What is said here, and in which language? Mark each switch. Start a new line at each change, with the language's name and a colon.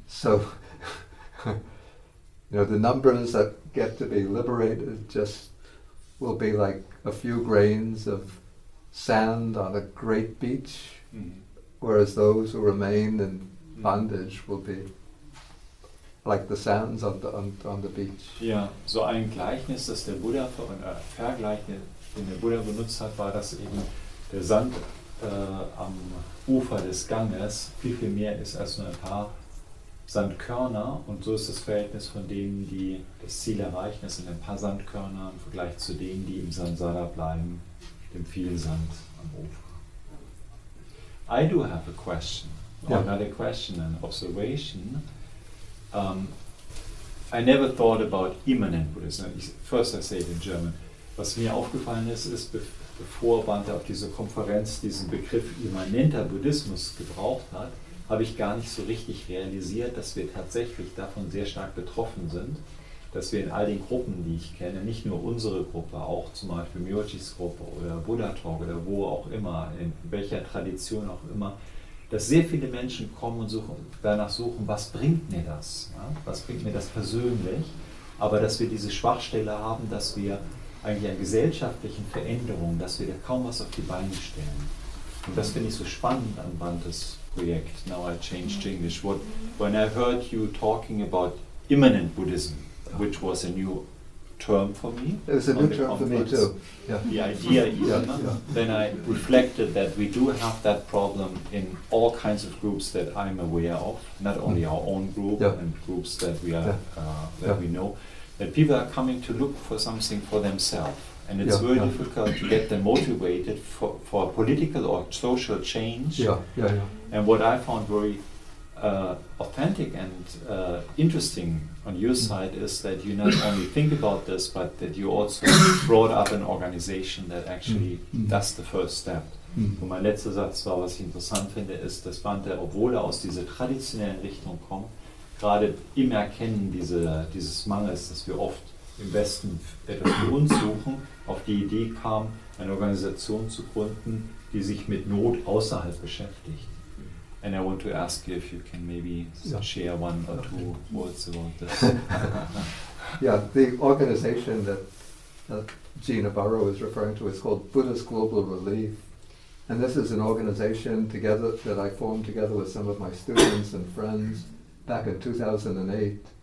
English: So, the numbers that get to be liberated just will be like a few grains of sand on a great beach, whereas those who remain in bondage will be like the sands on the beach.
German: Ja, so ein Gleichnis, das der Buddha Vergleichnis, den der Buddha benutzt hat, war, dass eben der Sand am Ufer des Ganges viel, viel mehr ist als nur ein paar Sandkörner, und so ist das Verhältnis von denen, die das Ziel erreichen, das sind ein paar Sandkörner im Vergleich zu denen, die im Samsara bleiben, dem vielen Sand am Ufer.
English: I do have a question, not a question, an observation. I never thought about immanent Buddhism. First I say it in German.
German: Was mir aufgefallen ist, bevor Bhante auf dieser Konferenz diesen Begriff immanenter Buddhismus gebraucht hat, habe ich gar nicht so richtig realisiert, dass wir tatsächlich davon sehr stark betroffen sind, dass wir in all den Gruppen, die ich kenne, nicht nur unsere Gruppe, auch zum Beispiel Myojis Gruppe oder Buddha Talk oder wo auch immer, in welcher Tradition auch immer, dass sehr viele Menschen kommen und danach suchen, was bringt mir das? Ja? Was bringt mir das persönlich? Aber dass wir diese Schwachstelle haben, dass wir eigentlich an gesellschaftlichen Veränderungen, dass wir da kaum was auf die Beine stellen. Und das finde ich so spannend an Bhantes Projekt.
English: Now I changed to English. When I heard you talking about immanent Buddhism, which was a new term for me. It was a new term for me too. The idea even. Then I reflected that we do have that problem in all kinds of groups that I'm aware of, not only our own group and groups that we know. that people are coming to look for something for themselves. And it's very difficult to get them motivated for political or social change. And what I found very authentic and interesting on your side is that you not only think about this, but that you also brought up an organization that actually does the first step.
German: Und mein letzter Satz war, was ich interessant finde, ist, dass Bante, obwohl er aus dieser traditionellen Richtung kommt, gerade im Erkennen dieses Mangels, dass wir oft im Westen etwas für uns suchen, auf die Idee kam, eine Organisation zu gründen, die sich mit Not außerhalb beschäftigt.
English: And I want to ask you if you can maybe share one or two words about this. Yeah, the organization that Gina Burrow is referring to is called Buddhist Global Relief. And this is an organization together that I formed together with some of my students and friends back in 2008.